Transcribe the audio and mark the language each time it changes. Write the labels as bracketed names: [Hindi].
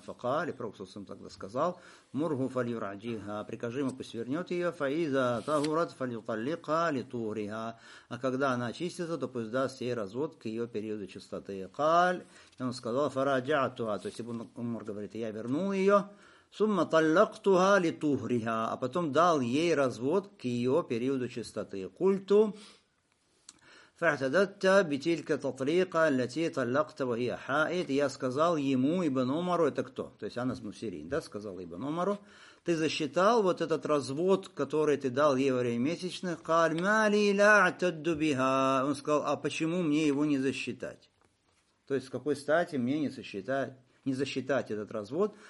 [Russian] Факали, пророк саллаллаху алейхи ва саллям тогда сказал, [Arabic] мургу фальюрадиха, [Russian] прикажи ему, пусть вернет ее, [Arabic] фаиза тагурат фальюталлика литуриха. [Russian] А когда она очистится, то пусть даст ей развод к ее периоду чистоты. Каль, и он сказал, [Arabic] фараджатуха, [Russian] то есть Умар говорит, я вернул ее, [Arabic] сумма таллактуха литуриха, [Russian] а потом дал ей развод к ее периоду чистоты. [Arabic] Культу, فاعتدت بتلك الطريقة التي طلقت وهي حائض. [Russian] Я сказал ему, ибн Умару, это кто? То есть Анас ибн Сирин, да, сказал ибн Умару, ты засчитал вот этот развод, который ты дал ей во время месячных. [Arabic] قال ما لي لا اعتد بها. [Russian] Он сказал, а почему мне его не засчитать? То есть с какой стати мне не засчитать этот развод?